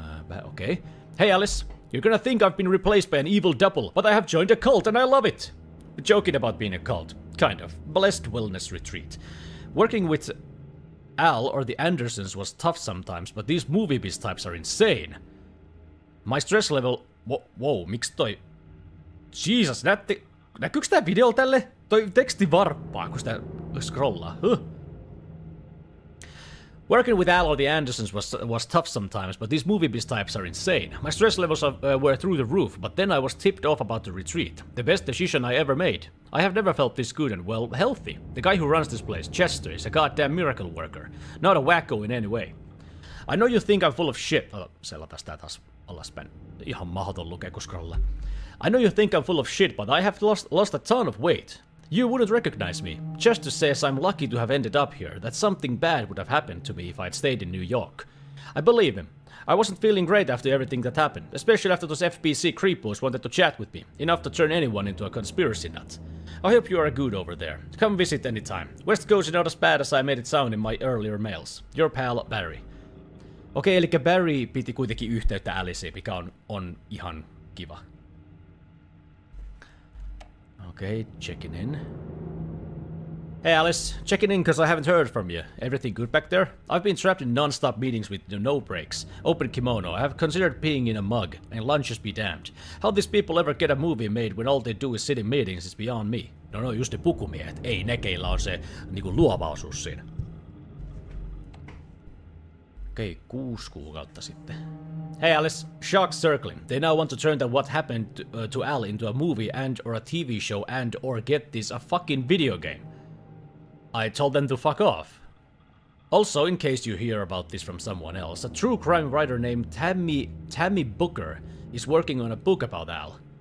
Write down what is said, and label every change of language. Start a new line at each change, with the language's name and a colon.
English: Okay. Hey Alice, you're gonna think I've been replaced by an evil double, but I have joined a cult and I love it! Joking about being a cult, kind of. Blessed wellness retreat. Working with Al or the Andersons was tough sometimes, but these movie beast types are insane. My stress level... Whoa,
Finnish: miksi toi... Jesus, näkyykö tää video tälle? Toi teksti varppaa, kun sitä scrollaa.
English: Working with Al or the Andersons was tough sometimes, but these movie beast types are insane. My stress levels were through the roof, but then I was tipped off about the retreat. The best decision I ever made. I have never felt this good and, well, healthy. The guy who runs this place, Chester, is a goddamn miracle worker. Not a wacko in any way. I know you think I'm full of shit.
Finnish: Selataan sitä taas alaspäin. Ihan mahdoton lukea, kun scrolla.
English: I know you think I'm full of shit, but I have lost a ton of weight. You wouldn't recognize me. Chester says I'm lucky to have ended up here, that something bad would have happened to me if I'd stayed in New York. I believe him. I wasn't feeling great after everything that happened, especially after those FBC creepos wanted to chat with me, enough to turn anyone into a conspiracy nut. I hope you are good over there. Come visit anytime. West Coast is not as bad as I made it sound in my earlier mails. Your pal, Barry.
Finnish: Okei, eli Barry piti kuitenkin yhteyttä Aliceen, mikä on ihan kiva.
English: Okay, checking in. Hey Alice, checking in because I haven't heard from you. Everything good back there? I've been trapped in non-stop meetings with no breaks. Open kimono, I have considered peeing in a mug, and lunches be damned. How these people ever get a movie made when all they do is sit in meetings is beyond me. No, just the
Finnish: pukumiehet. Ei ne, keillä on se niinku luovaisuus siinä. Okay, 6 kuukautta sitten.
English: Hey Alice, shark circling. They now want to turn that what happened to Al into a movie and or a TV show and or get this a fucking video game. I told them to fuck off. Also, in case you hear about this from someone else, a true crime writer named Tammy Booker is working on a book about Al.